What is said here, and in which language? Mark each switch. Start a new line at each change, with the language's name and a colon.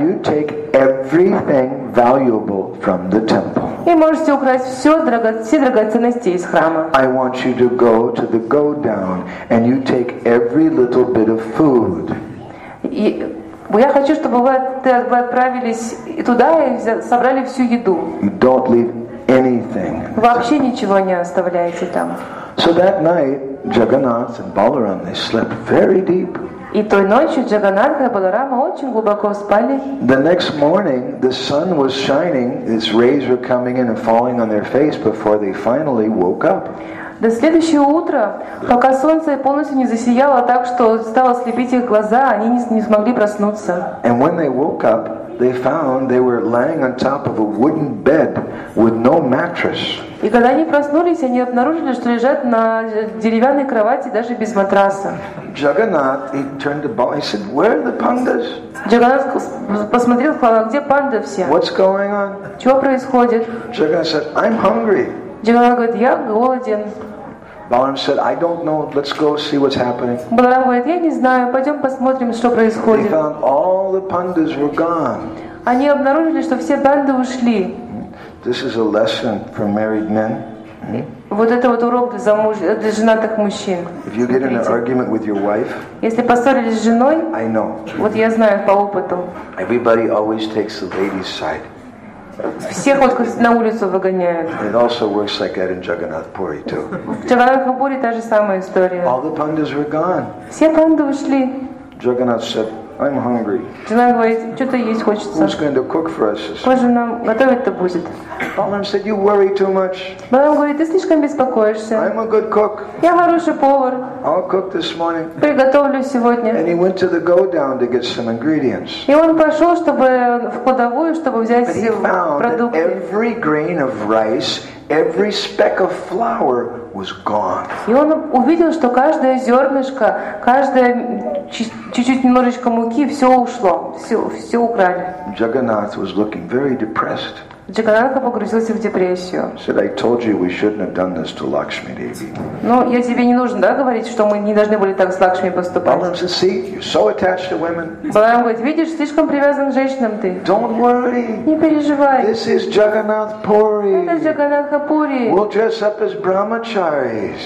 English: And you take everything valuable from the temple.
Russian: И можете украсть все драгоценности из храма.
English: I want you to go to the godown and you take every little bit of food.
Russian: Я хочу, чтобы вы отправились туда и собрали всю еду.
English: Don't leave anything.
Russian: Вообще ничего не оставляете там.
English: So that night, Jagannath and Balaram, they slept very deep.
Russian: И той ночью Джаганнат и Баларама очень глубоко спали.
English: The next morning, the sun was shining. Its rays were coming in and falling on their face before they finally woke up.
Russian: До следующего утра, пока солнце полностью не засияло так, что стало слепить их глаза, они не смогли проснуться.
English: And when they woke up, they found they were lying on top of a wooden bed with no mattress.
Russian: И когда они проснулись, они обнаружили, что лежат на деревянной кровати даже без матраса.
English: Jagannath, he turned to Balaram, he said, "Where are the pandas?"
Russian: Jagannath посмотрел, сказал, где панды все?
English: What's going on?
Russian: Чего происходит?
English: Jagannath said, "I'm hungry."
Russian: Jagannath говорит, я голоден.
English: Balaram said, "I don't know. Let's go see what's happening."
Russian: Balaram говорит, я не знаю. Пойдем посмотрим, что происходит.
English: They found all the pandas were gone.
Russian: Они обнаружили, что все панды ушли.
English: This is a lesson for married men.
Russian: Вот это вот урок для женатых мужчин.
English: If you get in an argument with your wife,
Russian: если поссорились с женой,
English: I know.
Russian: Вот я знаю по опыту.
English: Everybody always takes the lady's side.
Russian: Всех вот на улицу выгоняют.
English: It also works like that in Jagannath Puri too.
Russian: В Jagannath Puri та же самая история.
English: All the pandas were gone.
Russian: Все панды ушли.
English: Jagannath said, "I'm hungry."
Russian: Jagannath говорит, что-то есть хочется.
English: Who's going to cook for us?
Russian: Кто же нам готовить-то будет?
English: Balaram said, "You worry too much."
Russian: Balaram говорит, ты слишком беспокоишься.
English: I'm a good cook.
Russian: Я хороший повар.
English: I'll cook this morning.
Russian: Приготовлю сегодня.
English: And he went to the godown to get some ingredients.
Russian: И он пошел, чтобы в кладовую, чтобы взять продукты.
English: But he found that every grain of rice, every speck of flour was gone.
Russian: И он увидел, что каждое зернышко, каждое чуть-чуть немножечко муки, все ушло, все украли.
English: Jagannath was looking very depressed.
Russian: Джаганатха погрузился в депрессию.
English: Said, I told you we shouldn't have done this to Lakshmi Devi.
Russian: Ну, я тебе не нужно, да, говорить, что мы не должны были так с Лакшми поступать.
English: Balaram said, see, you're so attached to women.
Russian: Balaram говорит, видишь, слишком привязан к женщинам ты.
English: Don't worry.
Russian: Не переживай.
English: This is Jagannath Puri.
Russian: Это Джаганатха Пури.
English: We'll dress up as brahmacharis.